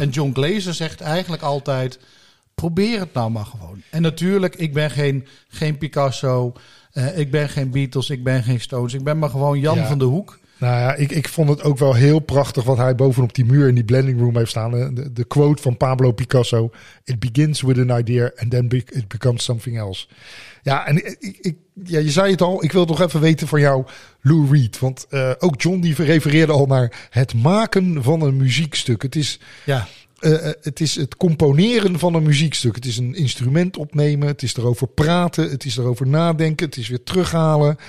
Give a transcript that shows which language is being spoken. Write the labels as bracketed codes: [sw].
[nl] En John Glazer zegt eigenlijk altijd, probeer het nou maar gewoon. En natuurlijk, ik ben geen Picasso, ik ben geen Beatles, ik ben geen Stones. Ik ben maar gewoon Jan van de Hoek. Nou ja, ik vond het ook wel heel prachtig wat hij bovenop die muur in die blending room heeft staan. De quote van Pablo Picasso, [en] it begins with an idea and then it becomes something else. [nl] Ja, en je zei het al, ik wil toch even weten van jou, Lou Reed. Want ook John die refereerde al naar het maken van een muziekstuk. Het is, het is het componeren van een muziekstuk. Het is een instrument opnemen, het is erover praten, het is erover nadenken, het is weer terughalen.